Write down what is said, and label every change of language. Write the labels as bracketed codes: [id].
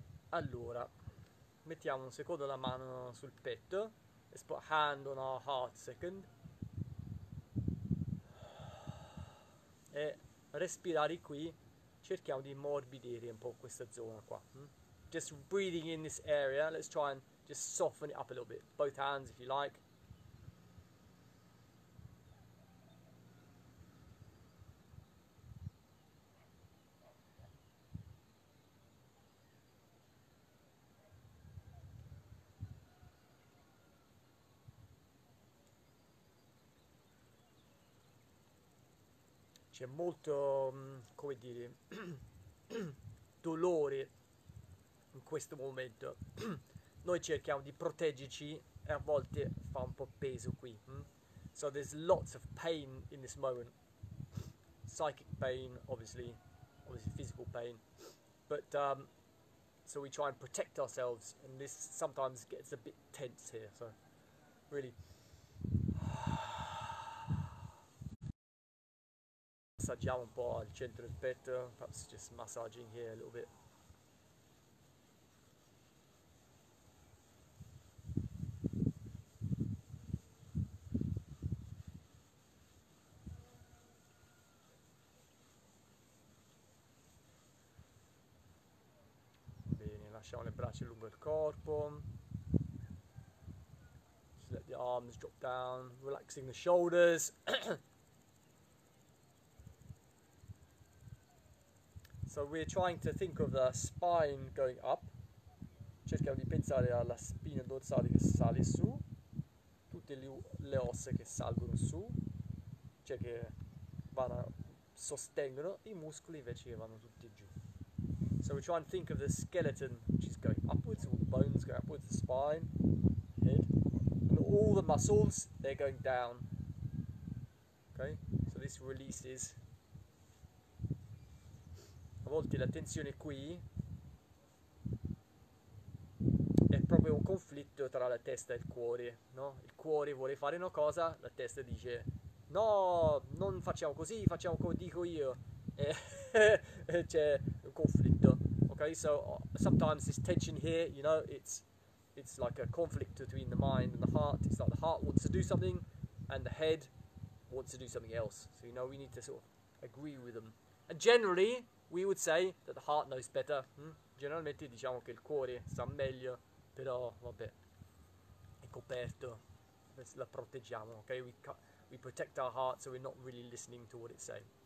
[it] Allora, mettiamo un secondo la mano sul petto. [en] Let's put a hand on our heart second. [it] E respirare qui, cerchiamo di ammorbidire un po' questa zona qua. [en] Just breathing in this area, let's try and just soften it up a little bit. Both hands if you like. [it] C'è molto, come dire, dolore in questo momento. Noi cerchiamo di proteggerci e a volte fa un po' peso qui. [en] So there's lots of pain in this moment. Psychic pain, obviously physical pain. But so we try and protect ourselves, and this sometimes gets a bit tense here, so really. [it] Massaggiamo un po' il centro del petto, [en] perhaps just massaging here a little bit. [it] Lasciamo le braccia lungo il corpo. [en] Just let the arms drop down, relaxing the shoulders. So we're trying to think of the spine going up. [it] Cerchiamo di pensare alla spina dorsale che sale su, tutte le ossa che salgono su, cioè che sostengono, i muscoli invece che vanno tutti giù. [en] So we try and think of the skeleton, which is going upwards, all the bones going upwards, the spine, head, and all the muscles, they're going down. Okay? So this releases. [it] A volte la tensione qui è proprio un conflitto tra la testa e il cuore, no? Il cuore vuole fare una cosa, la testa dice no, non facciamo così, facciamo come dico io. E c'è un conflitto. [en] Okay, so sometimes this tension here, you know, it's like a conflict between the mind and the heart. It's like the heart wants to do something and the head wants to do something else. So, you know, we need to sort of agree with them. And generally, we would say that the heart knows better. [it] Generalmente diciamo che il cuore sa meglio, però vabbè, è coperto. La proteggiamo, ok? [en] We protect our heart, so we're not really listening to what it's saying.